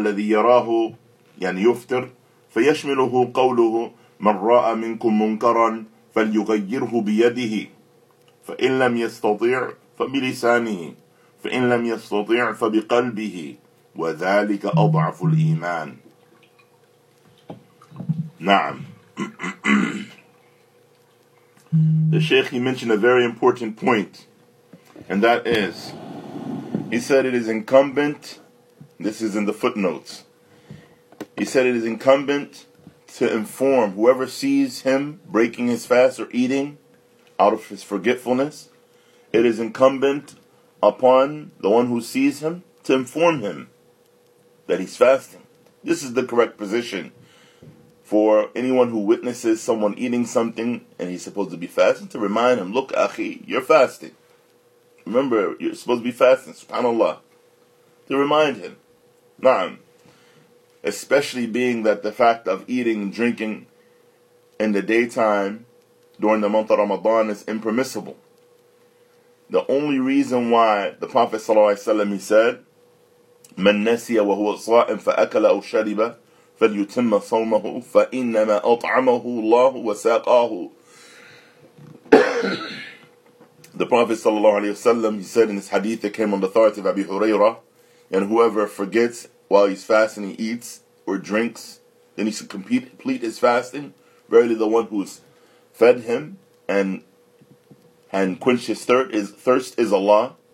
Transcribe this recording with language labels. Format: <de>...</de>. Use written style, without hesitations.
<ar>يراه يعني يفتر فيشمله قوله من رأى منكم منكرا فليغيره بيده فإن لم يستطيع فبلسانه فإن لم يستطيع فبقلبه وذلك أضعف الإيمان نعم.</ar> <en>The Shaykh, he mentioned a very important point, and that is, he said it is incumbent This is in the footnotes. He said it is incumbent to inform whoever sees him breaking his fast or eating out of his forgetfulness. It is incumbent upon the one who sees him to inform him that he's fasting. This is the correct position for anyone who witnesses someone eating something and he's supposed to be fasting, to remind him, look, achi, you're fasting. Remember, you're supposed to be fasting, subhanAllah. To remind him. Na'am. Especially being that the fact of eating and drinking in the daytime during the month of Ramadan is impermissible. The only reason why the Prophet ﷺ, he said,</en> <ar>من نسي وهو صائم فأكل أو شرب فليتم صومه فإنما أطعمه الله وساقاه.</ar> <en>The Prophet ﷺ, he said in his hadith that came on the authority of Abi Hurairah, and whoever forgets while he's fasting, he eats or drinks, then he should complete his fasting. Verily the one who's fed him and quenched his thirst is Allah.</en>